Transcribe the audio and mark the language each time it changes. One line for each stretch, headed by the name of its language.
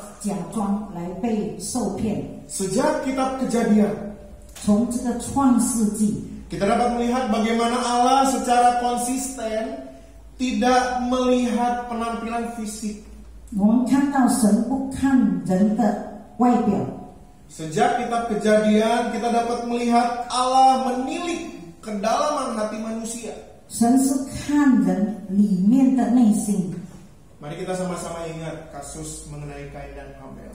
Chinese: 神不会被我们的外表的假装来被受骗.
Indonesian: Sejak kitab Kejadian,
Chinese: 从这个创世纪,
Indonesian: kita dapat melihat bagaimana Allah secara konsisten tidak melihat penampilan fisik.
Chinese: 我们看到神不看人的外表.
Indonesian: Sejak kitab Kejadian, kita dapat melihat Allah menilik kedalaman hati manusia.
Chinese: 神是看人里面的内心.
Indonesian: Mari kita sama-sama ingat kasus mengenai Kain dan Abel.